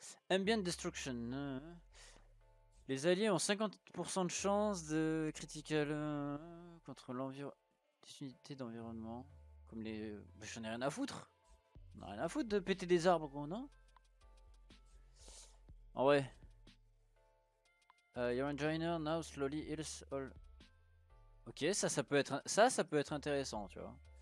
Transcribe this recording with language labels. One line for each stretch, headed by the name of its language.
English: Ambient destruction.
French: Les alliés ont 50% de chance de critical contre les unités d'environnement. Comme les. Mais j'en ai rien à foutre. On a rien à foutre de péter des arbres, gros, non? En vrai,
English: your engineer now slowly heals all.
French: Ok, ça peut être intéressant, tu vois.